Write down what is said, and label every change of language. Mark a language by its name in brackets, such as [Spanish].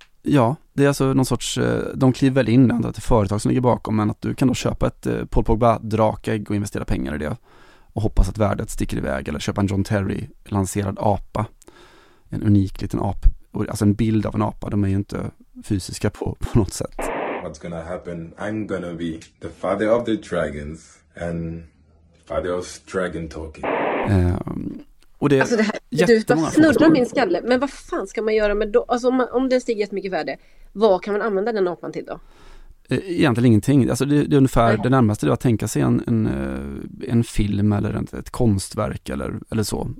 [Swedish] Ja, det är alltså någon sorts... De kliver väl in det till företag som ligger bakom, men att du kan då köpa ett Paul Pogba drakägg och investera pengar i det och hoppas att värdet sticker iväg, eller köpa en John Terry lanserad apa. En unik liten ap. Alltså en bild av en apa, de är ju inte fysiska på något sätt. [English] What's gonna happen? I'm gonna be the father of the dragons and father of dragon talking. [Swedish] Och det är alltså det här, du snurrar min skalle, men vad fan ska man göra med då? Alltså om den stiger jättemycket värde, vad kan man använda den apan till då? Egentligen ingenting. Alltså det är ungefär det närmaste du har tänka sig en film eller ett konstverk eller så.